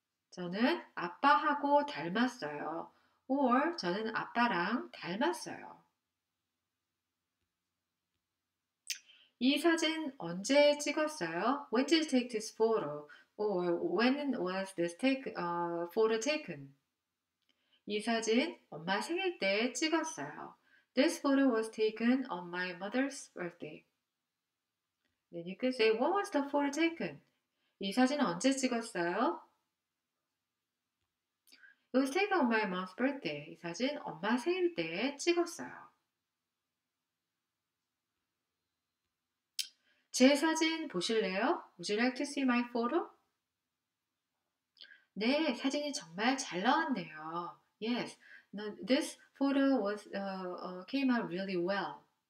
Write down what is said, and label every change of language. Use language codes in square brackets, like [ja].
[ko] 저는 아빠하고 닮았어요. or 저는 아빠랑 닮았어요. 이 사진 언제 찍었어요? [en] When did you take this photo? When was this photo taken? [ko] 이 사진 엄마 생일 때 찍었어요. [en] This photo was taken on my mother's birthday. Then you could say, when was the photo taken? [ko] 이 사진 언제 찍었어요? [en] It was taken on my mom's birthday. [ko] 이 사진 엄마 생일 때 찍었어요. 제 사진 보실래요? [en] Would you like to see my photo? [ko] 네, 사진이 정말 잘 나왔네요. [en] Yes, this photo was came out really well.